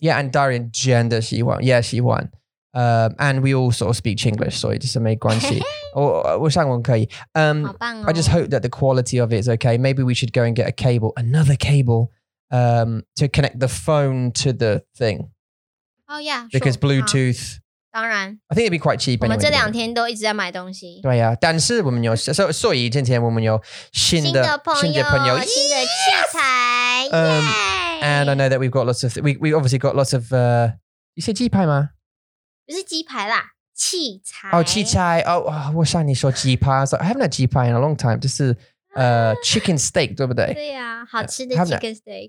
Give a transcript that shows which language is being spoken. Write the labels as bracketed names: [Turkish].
[English] Yeah, and Darian [Chinese] 真的喜欢 [English] Yeah, 喜欢And we all sort of speak English, [Chinese] 所以就是没关系。我想我们可以。好棒哦。 [English] I just hope that the quality of it is okay. Maybe we should go and get a cable, another cable, to connect the phone to the thing. Oh, yeah. Because Bluetooth... [Chinese] 当然 [English] I think it'd be quite cheap. [Chinese] 我们这两天都一直在买东西。对啊，但是我们有所以今天我们有新的朋友，新的器材。 [English] And I know that we've got lots of we obviously got lots of. You say 鸡排吗？ [Chinese] 不是鸡排啦，器材。哦，器材。哦，我想你说鸡排。 [English] So I haven't had 鸡排 in a long time. [Chinese] 就是chicken steak, 对不对？对啊，好吃的 chicken steak.